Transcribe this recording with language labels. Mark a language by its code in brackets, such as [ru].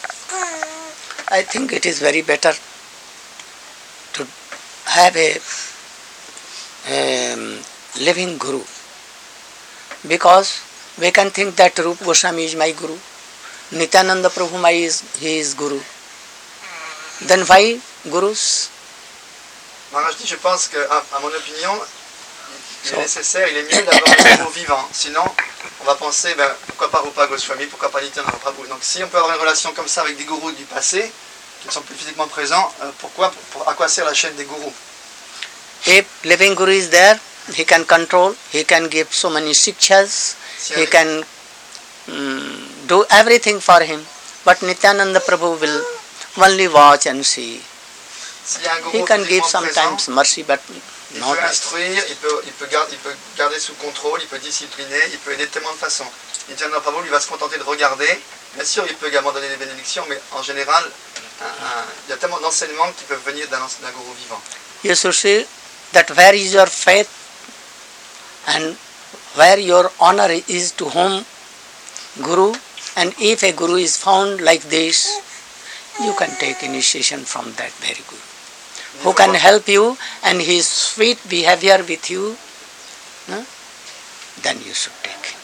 [en] I think it is very better to have a living guru, because we can think that Rupa Goswami is my guru, Nityananda Prabhu is guru. Then why gurus? [fr] Maharaj dit, je pense que, à mon opinion, il est nécessaire, il est mieux d'avoir un guru vivant. Sinon, on va penser, ben, pourquoi pas Rupa Goswami, pourquoi pas Nityananda Prabhu. Donc, si on peut avoir une relation comme ça avec des gurus du passé, qui ne sont plus physiquement présents, à quoi sert la chaîne des gurus? [en] If living guru is there, he can control, he can give so many shikshas, he can do everything for him. But Nityananda Prabhu will only watch and see. He can give sometimes mercy, but not. [fr] Il peut instruire, il peut garder sous contrôle, il peut discipliner, il peut aider tellement de façons. Nityananda Prabhu, lui, va se contenter de regarder. Bien sûr, il peut également donner des bénédictions, mais en général, il y a tellement d'enseignements qui peuvent venir d'un guru vivant. [en] You should see that where is your faith and where your honor is to whom guru, and if a guru is found like this, you can take initiation from that very guru. Who can help you and his sweet behavior with you, then you should take.